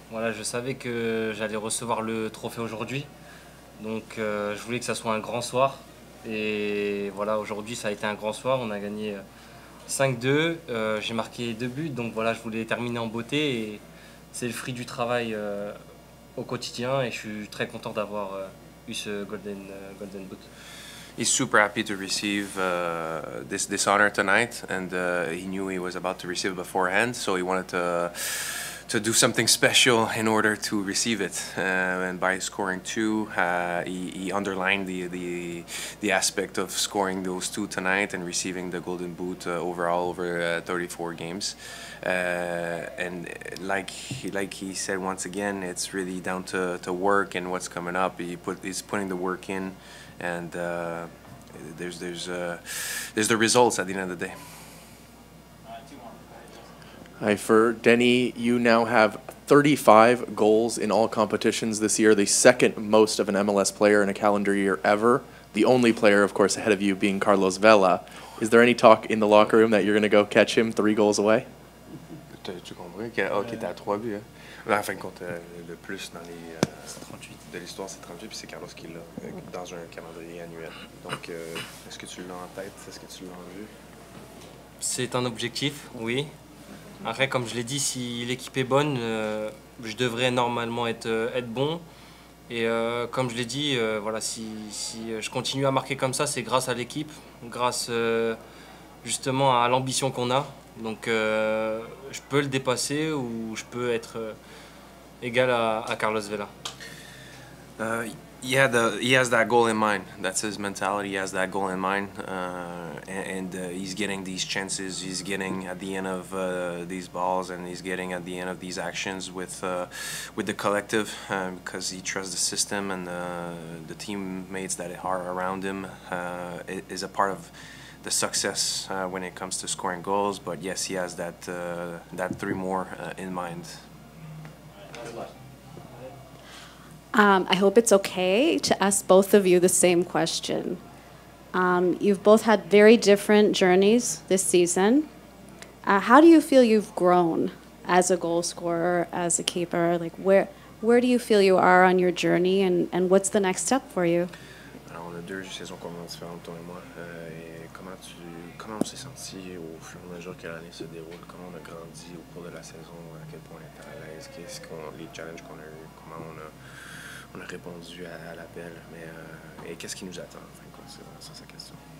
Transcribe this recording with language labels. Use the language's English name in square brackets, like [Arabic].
[French] Voilà, je savais que j'allais recevoir le trophée aujourd'hui. Donc, je voulais que ça soit un grand soir. Et voilà, aujourd'hui, ça a été un grand soir. On a gagné 5-2. J'ai marqué 2 buts. Donc, voilà, je voulais terminer en beauté. Et c'est le fruit du travail au quotidien. Et je suis très content d'avoir eu ce golden boot. [English] He's super happy to receive this honor tonight, and he knew he was about to receive it beforehand, so he wanted to do something special in order to receive it. And by scoring 2, he underlined the aspect of scoring those 2 tonight and receiving the golden boot overall over 34 games. And like he said once again, it's really down to work and what's coming up. He's putting the work in, and there's the results at the end of the day. Hi, for Dénis, you now have 35 goals in all competitions this year, the second most of an MLS player in a calendar year ever. The only player, of course, ahead of you being Carlos Vela. Is there any talk in the locker room that you're going to go catch him 3 goals away? [French] Tu comprends que OK, t'as 3 buts. Hein? Mais en fin de compte, le plus dans les 38 de l'histoire, c'est 38, puis c'est Carlos qui l'a dans un calendrier annuel. Donc, est-ce que tu l'as en tête? Est-ce que tu l'as vu? C'est un objectif, oui. Après, comme je l'ai dit, si l'équipe est bonne, je devrais normalement être bon. Et comme je l'ai dit, voilà, si je continue à marquer comme ça, c'est grâce à l'équipe, grâce justement à l'ambition qu'on a. Donc, je peux le dépasser ou je peux être égal à Carlos Vela. [English] He has that goal in mind. That's his mentality. He has that goal in mind, and he's getting these chances. He's getting at the end of these balls, and he's getting at the end of these actions with the collective, because he trusts the system and the teammates that are around him. Is a part of the success when it comes to scoring goals. But yes, he has that that 3 more in mind. I hope it's okay to ask both of you the same question. You've both had very different journeys this season. How do you feel you've grown as a goal scorer, as a keeper? Like, where do you feel you are on your journey, and what's the next step for you? [French] Alors, on a 2 saisons complètement différentes, toi et moi. Et comment on s'est senti au fur et à mesure que l'année se déroule? Comment on a grandi au cours de la saison? À quel point on est à l'aise? Qu'est-ce qu'on, les challenges qu'on a eu? Comment on a répondu à l'appel, et qu'est-ce qui nous attend, enfin, quoi, c'est sa question.